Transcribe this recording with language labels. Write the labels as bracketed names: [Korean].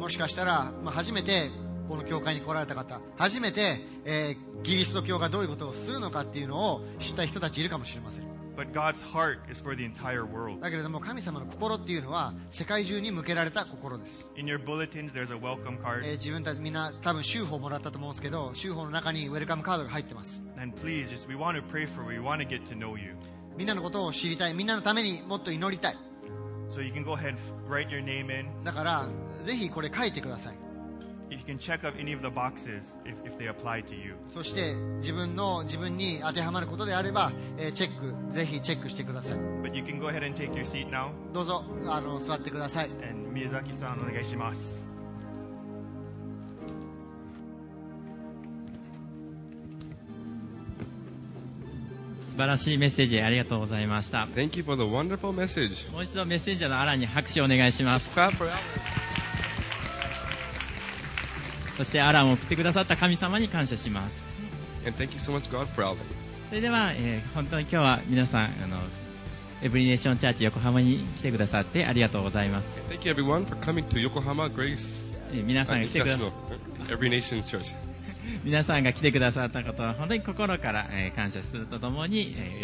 [Japanese] もしかしたら、まあ、初めてこの教会に来られた方、初めて、キリスト教がどういうことをするのかっていうのを知った人たちいるかもしれません。 [English] But God's heart is for the entire world. [Japanese] だけれども神様の心っていうのは世界中に向けられた心です。 [English] In your bulletins, there's a welcome card. [Japanese] 自分たちみんな多分週報もらったと思うんですけど、週報の中にウェルカムカードが入ってます。 [English] And please, just we want to pray for you. We want to get to know you. [Japanese] みんなのことを知りたい。みんなのためにもっと祈りたい。 [English] So you can go ahead write your name in. [Japanese] だからぜひこれ書いてください。 [English] If you can check up any of the boxes if they apply to you. [Japanese] そして自分に当てはまることであれば、ぜひチェックしてください。 [English] But you can go ahead and take your seat now. [Japanese] どうぞ座ってください。 And Miyazaki さんお願いします。素晴らしいメッセージありがとうございました。 [English] Thank you for the wonderful message. [Japanese] もう一度メッセンジャーのアランに拍手をお願いします。そしてアランを送ってくださった神様に感謝します。 [English] And thank you so much God for Alvin. [Japanese] それでは、本当に今日は皆さんエブリネーションチャーチ横浜に来てくださってありがとうございます。 [English] And thank you everyone for coming to Yokohama Grace. [Japanese] 皆さんが来てくださった [English] Every Nation Church. [Japanese] 皆さんが来てくださったことは本当に心から感謝するとともに